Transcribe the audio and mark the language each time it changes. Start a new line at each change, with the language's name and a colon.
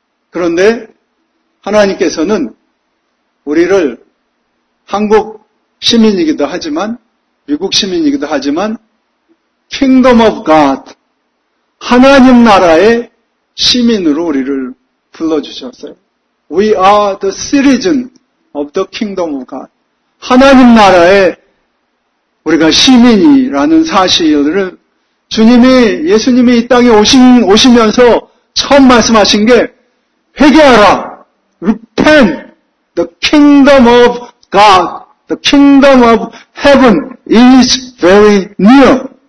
Korean: 그런데 하나님께서는 우리를 한국 시민이기도 하지만 미국 시민이기도 하지만 Kingdom of God, 하나님 나라의 시민으로 우리를 불러주셨어요.
English: We are the citizen of the kingdom of God.
Korean: 하나님 나라의 우리가 시민이라는 사실을 주님이 예수님이 이 땅에 오시면서 처음 말씀하신 게 회개하라,
English: repent, the kingdom of God, the kingdom of heaven is very near.